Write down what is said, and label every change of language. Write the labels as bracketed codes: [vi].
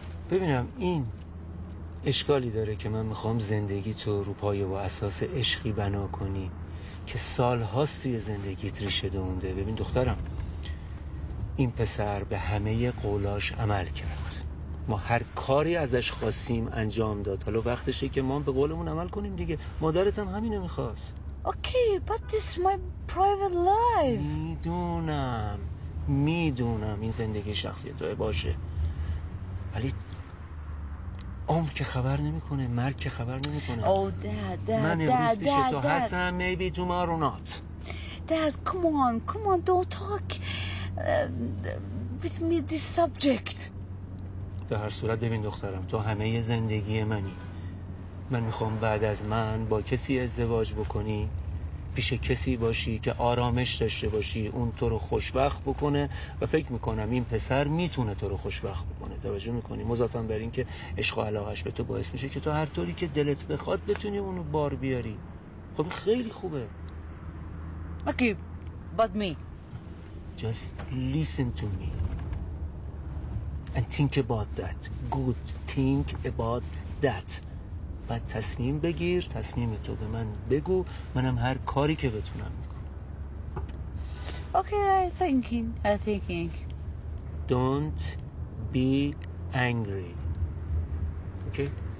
[fa] ببینم این اشکالی داره که من میخوام زندگی تو رو پایه و اساس عشقی بنا کنی، که سالهاست توی زندگیت ریشه دونده. ببین دخترم، این پسر به همه قولاش عمل کرد، ما هر کاری ازش خواستیم انجام داد، حالا وقتشه که ما به قولمون عمل کنیم دیگه. مادرت هم همینو میخواست. [en] Okay, but this is my private life. [fa] میدونم این زندگی شخصی توی باشه، ولی عمر که خبر نمیکنه، مرگ که خبر نمیکنه. من امروز پیش تو هستم، [en] maybe tomorrow not. Dad, come on, don't talk with me this subject. [fa] به هر صورت ببین دخترم، تو همه زندگی منی، من میخوام بعد از من با کسی ازدواج بکنی، پیش کسی باشی که آرامش داشته باشی، اون تو رو خوشبخت بکنه، و فکر میکنم این پسر میتونه تو رو خوشبخت بکنه. توجه میکنی؟ مضافاً بر این که عشق و علاقش به تو باعث میشه که تو هر طوری که دلت بخواد بتونی اونو بار بیاری. خب خیلی خوبه. [en] Okay, but me. Just listen to me and think about that. Good, think about that. [fa] بعد تصمیم بگیر، تصمیم تو به من بگو، منم هر کاری که بتونم میکنم. [en] Okay, I'm thinking. Don't be angry. Okay?